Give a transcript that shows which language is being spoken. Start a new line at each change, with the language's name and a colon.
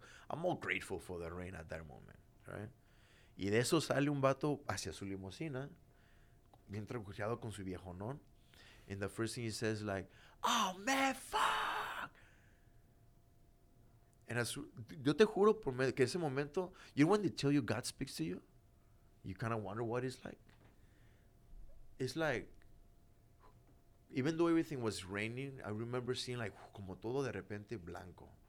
English: I'm all grateful for the rain at that moment, right?
Spanish: Y de eso sale un vato hacia su limusina, bien trancuchado con su viejo, ¿no?
English: And the first thing he says, like, oh, man, fuck! And
Spanish: yo te juro que ese momento,
English: you know when they tell you God speaks to you? You kind of wonder what it's like. It's like, even though everything was raining, I remember seeing like,
Spanish: como todo de repente blanco.